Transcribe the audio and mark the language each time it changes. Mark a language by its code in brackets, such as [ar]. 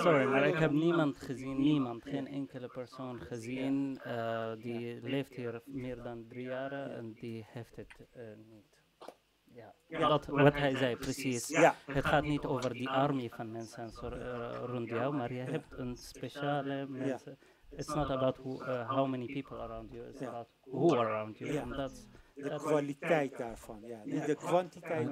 [nl] Sorry, maar ik heb niemand gezien, niemand, geen enkele persoon gezien die leeft hier meer dan 3 jaren en die heeft het niet. Dat wat hij zei, precies. Het gaat niet over die armie van mensen rond jou, maar je hebt een speciale mensen. [en] It's not about who, how many people around you, it's about who around you. And that's [nl] de kwaliteit daarvan, niet de kwantiteit.